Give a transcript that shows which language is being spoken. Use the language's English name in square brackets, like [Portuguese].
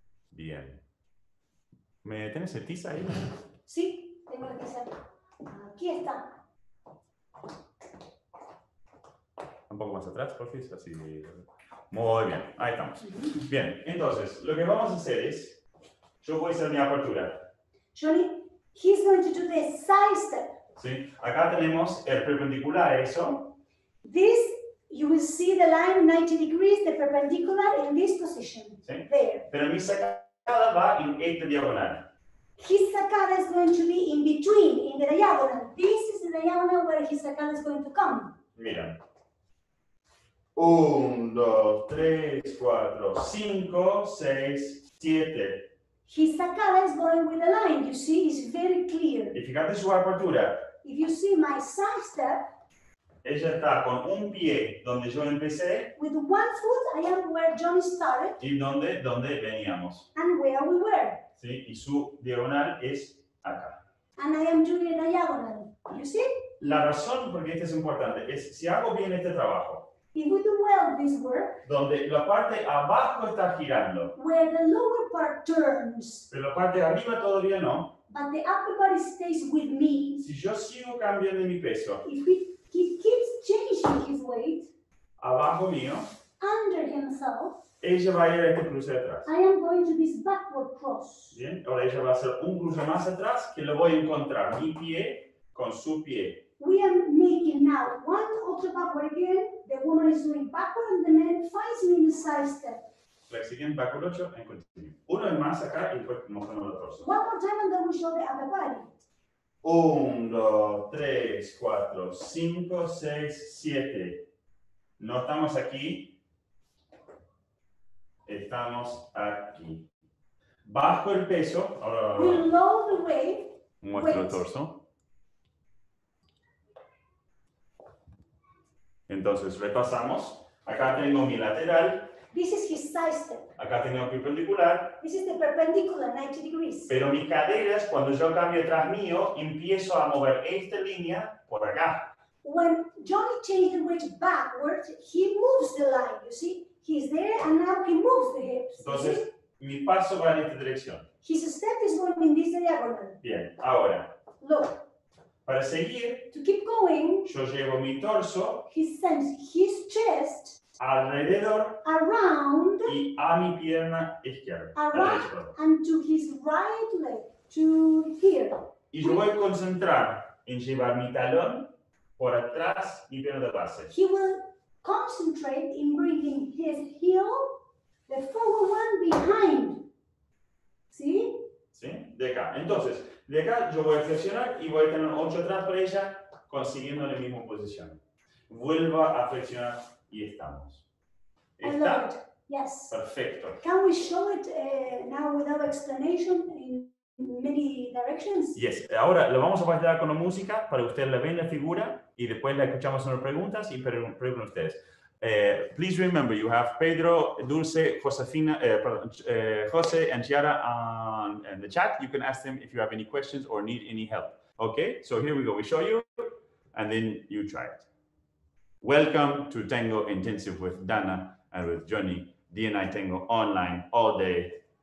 [Spanish] Bien. ¿Me tenés el tiza ahí? Sí, tengo el tiza. Aquí está. Un poco más atrás, por fin, así. Muy bien, ahí estamos. Bien, entonces, lo que vamos a hacer es, yo voy a hacer mi apertura. [English] Johnny, he's going to do the side step. [Spanish] Sí, acá tenemos el perpendicular, eso. [English] This, you will see the line 90 degrees, the perpendicular in this position. [Spanish] Sí, there. Pero mi sacada va en esta diagonal. [English] His sacada is going to be in between, in the diagonal. This is the diagonal where his sacada is going to come. [Spanish] Mira. 1, 2, 3, 4, 5, 6, 7. [English] His sacada is going with the line, you see, it's very clear. [Spanish] Y fíjate su apertura. [English] If you see my side step. [Spanish] Ella está con un pie donde yo empecé. [English] With one foot, I am where Johnny started. [Spanish] Y donde veníamos. [English] And where we were. [Spanish] Sí, y su diagonal es acá. [English] And I am doing a diagonal, you see? [Spanish] La razón por qué esto es importante es, si hago bien este trabajo. [English] If we do well this work, [Spanish] donde la parte abajo está girando, [English] where the lower part turns, [Spanish] pero la parte de arriba todavía no, [English] but the upper body stays with me, [Spanish] si yo sigo cambiando mi peso, [English] if he keeps changing his weight, [Spanish] abajo mío, [English] under himself, [Spanish] ella va a ir a este cruce atrás. [English] I am going to this backward cross. [Spanish] Bien, ahora ella va a hacer un cruce más atrás que lo voy a encontrar mi pie con su pie. [English] We are making now one ultra backward again. The woman is doing backward and the man finds me in the side step. Flexing backward 8 and continue. [Spanish] Uno es más acá y después mostrando el torso. [English] One more time and then we show the other body. 1, 2, 3, 4, 5, 6, 7. [Spanish] No estamos aquí. Estamos aquí. Bajo el peso. [English] We lower the weight. [Spanish] Muestro el torso. Entonces, repasamos. Acá tengo mi lateral. [English] This is his side step. [Spanish] Acá tengo mi perpendicular. [English] This is the perpendicular, 90 degrees. [Spanish] Pero mis caderas, cuando yo cambio atrás mío, empiezo a mover esta línea por acá. [English] When Johnny changed the weight backwards, he moves the line, you see? He's there and now he moves the hips. [Spanish] Entonces, mi paso va en esta dirección. [English] His step is going in this diagonal. [Spanish] Bien, ahora. [English] Look. [Spanish] Para seguir, [English] to keep going, [Spanish] yo llevo mi torso, [English] he sends his chest, [Spanish] alrededor, [English] around, [Spanish] y a mi pierna izquierda, [English] around, and to his right leg, to here. [Spanish] Y yo voy a concentrar en llevar mi talón por atrás y pierna de base. [English] He will concentrate in bringing his heel, the forward one, behind. ¿Sí? [Spanish] Sí, de acá. Entonces, de acá yo voy a flexionar y voy a tener 8 atrás por ella, consiguiendo la misma posición. Vuelvo a flexionar y estamos. ¿Está? Yes. Perfecto. [English] Can we show it now without explanation in many directions? Yes. [Spanish] Ahora lo vamos a pasar con la música para que ustedes la vean la figura y después la escuchamos en las preguntas y preguntan ustedes. [English] Please remember, you have Pedro, Dulce, Josefina, Jose, and Chiara in the chat. You can ask them if you have any questions or need any help. Okay, so here we go. We show you, and then you try it. Welcome to Tango Intensive with Dana and with Johnny, D&I Tango online all day.